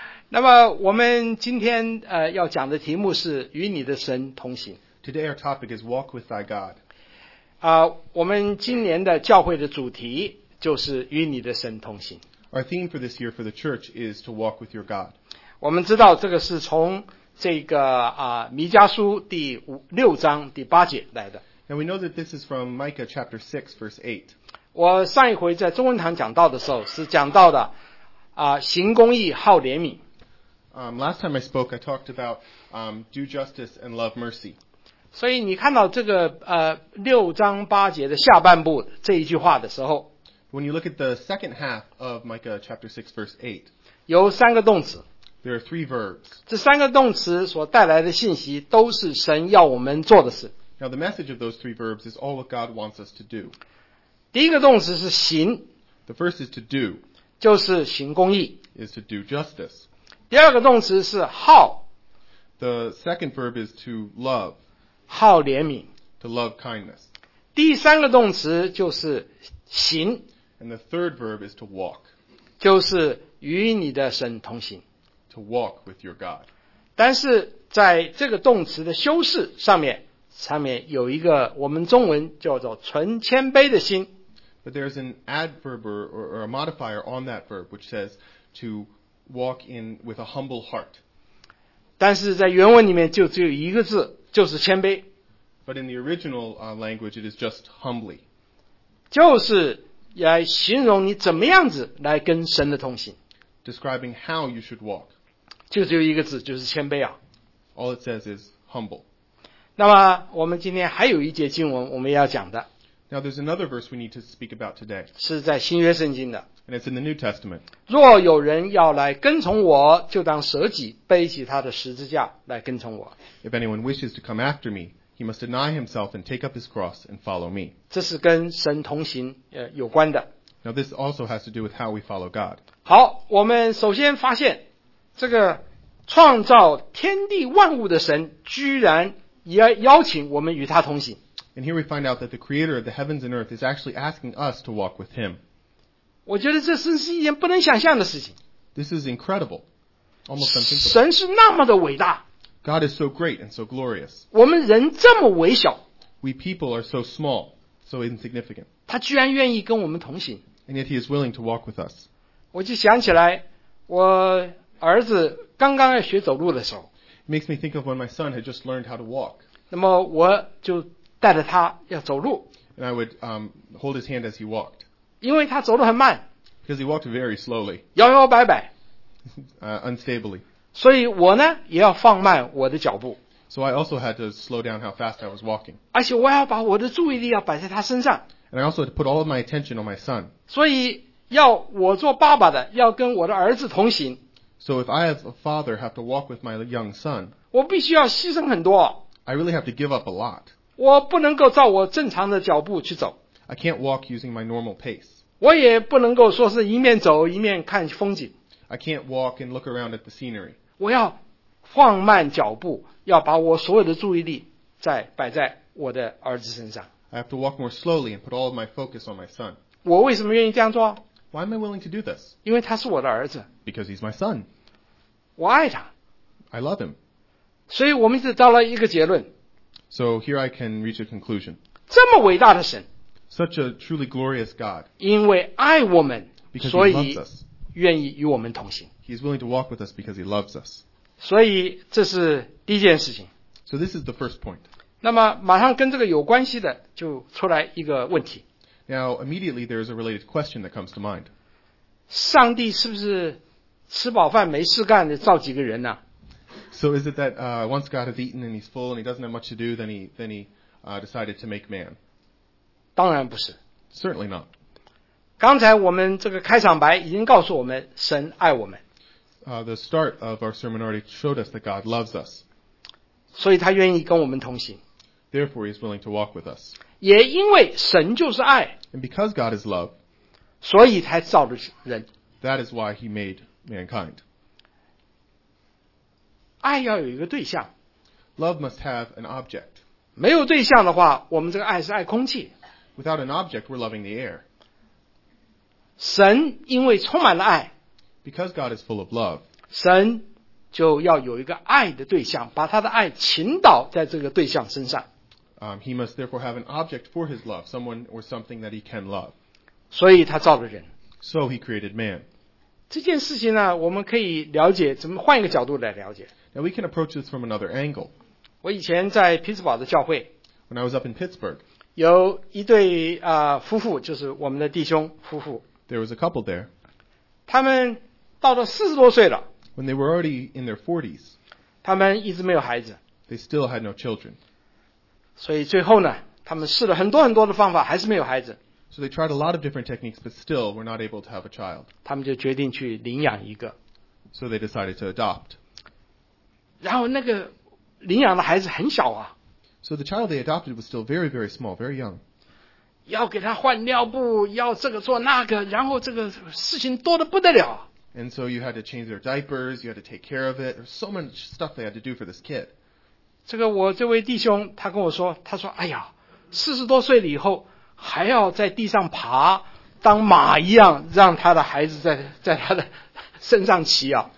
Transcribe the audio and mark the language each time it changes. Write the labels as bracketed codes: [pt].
[zh] 那么我们今天要讲的题目是与你的神同行。 [en] Today our topic is Walk with Thy God. [zh] 我们今年的教会的主题就是与你的神同行。 [en] Our theme for this year for the church is to walk with your God. [zh] 我们知道这个是从这个弥迦书第六章第八节来的。 [en] Now we know that this is from Micah chapter 6 verse 8. [zh] 我上一回在中文堂讲到的时候是讲到的行公义，好怜悯。 [en] Last time I spoke, I talked about do justice and love mercy. [zh] 所以你看到这个六章八节的下半部这一句话的时候 [en] ，When you look at the second half of Micah chapter 6 verse 8, [zh] 有三个动词。 [en] There are three verbs. [zh] 这三个动词所带来的信息都是神要我们做的事。 [en] Now the message of those three verbs is all what God wants us to do. [zh] 第一个动词是行。 [en] The first is to do. [zh] 就是行公义。 [en] Is to do justice. [zh] 第二个动词是好。 [en] The second verb is to love. [zh] 好怜悯。 [en] To love kindness. [zh] 第三个动词就是行。 [en] And the third verb is to walk. [zh] 就是与你的神同行。 [en] To walk with your God. [zh] 但是在这个动词的修饰上面有一个我们中文叫做存谦卑的心。 [en] But there's an adverb or a modifier on that verb which says to walk in with a humble heart. [zh] 但是在原文里面就只有一个字，就是谦卑。 [en] But in the original language, it is just humbly. [zh] 就是来形容你怎么样子来跟神的同行。 [en] Describing how you should walk. [zh] 就只有一个字，就是谦卑啊。 [en] All it says is humble. [zh] 那么我们今天还有一节经文我们要讲的。 [en] Now there's another verse we need to speak about today. [zh] 是在新约圣经的。 [en] And it's in the New Testament. [zh] 若有人要来跟从我，就当舍己，背起他的十字架来跟从我。 [en] If anyone wishes to come after me, he must deny himself and take up his cross and follow me. [zh] 这是跟神同行有关的。 [en] Now this also has to do with how we follow God. [zh] 好，我们首先发现，这个创造天地万物的神，居然也邀请我们与他同行。 [en] And here we find out that the creator of the heavens and earth is actually asking us to walk with him. [zh] 我觉得这真是一件不能想象的事情。 [en] This is incredible. Almost unthinkable. [zh] 神是那么的伟大。 [en] God is so great and so glorious. [zh] 我们人这么微小。 [en] We people are so small, so insignificant. [zh] 他居然愿意跟我们同行。 [en] And yet he is willing to walk with us. [zh] 我就想起来，我儿子刚刚要学走路的时候。 [en] It makes me think of when my son had just learned how to walk. [zh] 那么我就带着他要走路。 [en] And I would hold his hand as he walked. [zh] 因为他走路很慢。 [en] Because he walked very slowly. [zh] 摇摇摆摆。 [en] Unstably. [zh] 所以我呢也要放慢我的脚步。 [en] So I also had to slow down how fast I was walking. [zh] 而且我要把我的注意力要摆在他身上。 [en] And I also had to put all of my attention on my son. [zh] 所以要我做爸爸的要跟我的儿子同行。 [en] So if I as a father have to walk with my young son. [zh] 我必须要牺牲很多。 [en] I really have to give up a lot. [zh] 我不能够照我正常的脚步去走。 [en] I can't walk using my normal pace. [zh] 我也不能够说是一面走一面看风景。 [en] I can't walk and look around at the scenery. [zh] 我要放慢脚步，要把我所有的注意力再摆在我的儿子身上。 [en] I have to walk more slowly and put all of my focus on my son. [zh] 我为什么愿意这样做？ [en] Why am I willing to do this? [zh] 因为他是我的儿子。 [en] Because he's my son. [zh] 我爱他。 [en] I love him. [zh] 所以我们只到了一个结论。 [en] So here I can reach a conclusion. [zh] 这么伟大的神。 [en] Such a truly glorious God. [zh] 因为爱我们。 [en] Because he loves us. [zh] 愿意与我们同行。 [en] He is willing to walk with us because he loves us. [zh] 所以这是第一件事情。 [en] So this is the first point. [zh] 那么马上跟这个有关系的就出来一个问题。 [en] Now immediately there is a related question that comes to mind. [zh] 上帝是不是吃饱饭没事干的造几个人呢？ [en] So is it that once God has eaten and he's full and he doesn't have much to do, then he decided to make man? [zh] 当然不是。 [en] Certainly not. [zh] 刚才我们这个开场白已经告诉我们神爱我们。 [en] The start of our sermon already showed us that God loves us. [zh] 所以他愿意跟我们同行。 [en] Therefore he's willing to walk with us. [zh] 也因为神就是爱。 [en] And because God is love. [zh] 所以才造了人。 [en] That is why he made mankind. [zh] 爱要有一个对象。 [en] Love must have an object. [zh] 没有对象的话，我们这个爱是爱空气。 [en] Without an object, we're loving the air. [zh] 神因为充满了爱。 [en] Because God is full of love. [zh] 神就要有一个爱的对象，把他的爱倾倒在这个对象身上。 [en] He must therefore have an object for his love, someone or something that he can love. [zh] 所以他造了人。 [en] So he created man. [zh] 这件事情呢，我们可以了解，怎么换一个角度来了解。 [en] Now we can approach this from another angle. [zh] 我以前在匹兹堡的教会。 [en] When I was up in Pittsburgh. [zh] 有一对夫妇，就是我们的弟兄夫妇。 [en] There was a couple there. [zh] 他们到了四十多岁了。 [en] When they were already in their 40s, [zh] 他们一直没有孩子。 [en] They still had no children. [zh] 所以最后呢，他们试了很多很多的方法，还是没有孩子。 [en] So they tried a lot of different techniques, but still were not able to have a child. [zh] 他们就决定去领养一个。 [en] So they decided to adopt. [zh] 然后那个领养的孩子很小啊。 [en] So the child they adopted was still very, very small, very young. [zh] 要给他换尿布，要这个做那个，然后这个事情多得不得了。 [en] And so you had to change their diapers, you had to take care of it. There's so much stuff they had to do for this kid. [zh] 这个我这位弟兄他跟我说，他说哎呀，四十多岁了以后还要在地上爬，当马一样让他的孩子 在他的身上骑啊。